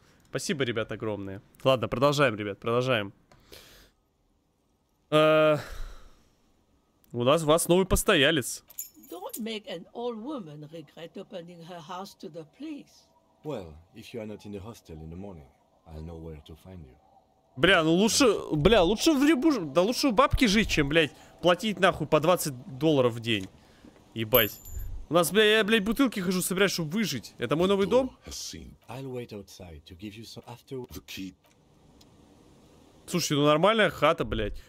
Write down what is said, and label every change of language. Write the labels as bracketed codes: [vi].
[ru] Спасибо, ребят, огромные. Ладно, продолжаем. У нас вас новый постоялец. [en] Don't make an old woman regret opening her house to the police. Well, if you are not in the hostel in the morning, I'll know where to find you. [ru] Бля, ну лучше, бля, лучше в рябу, да лучше у бабки жить, чем, блядь, платить нахуй по $20 в день. Ебать. У нас, бля, я, блядь, бутылки хожу собираю, чтобы выжить. Это мой новый дом? Слушайте, ну нормальная хата, блядь.